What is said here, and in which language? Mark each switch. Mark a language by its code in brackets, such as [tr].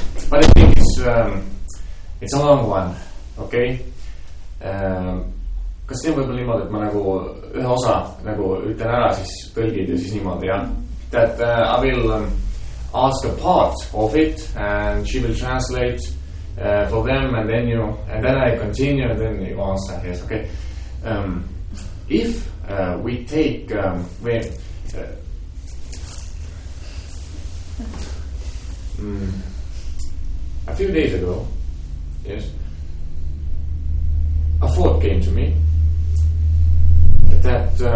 [en] But I think it's a long one, okay? [et] Kas see võib olla niimoodi, et ma nagu ühe osa nagu ütlen ära, siis tõlgid ja siis niimoodi, jah? [en] That I will ask a part of it and she will translate for them and then you, and then I continue and then you answer, yes, okay? If we take, a few days ago, yes, a thought came to me that